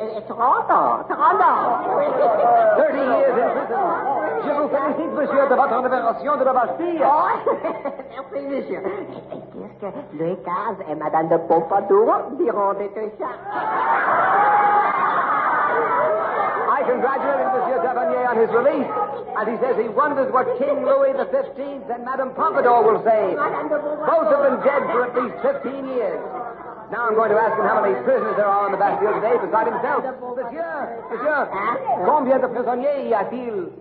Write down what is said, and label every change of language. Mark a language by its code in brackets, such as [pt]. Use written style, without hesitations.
[fr] 30 ans. [en] 30 years in prison. [fr] Je vous félicite, monsieur, de votre libération de la Bastille. Oh, merci, monsieur. Et qu'est-ce que Louis XV et Madame de Pompadour diront des deux chats? [en] I congratulate Monsieur Tavernier on his release, and he says he wonders what King Louis XV and Madame Pompadour will say. Both have been dead for at least 15 years. Now I'm going to ask him how many prisoners there are on the Bastille today beside himself. [fr] Monsieur, combien de prisonniers y a-t-il?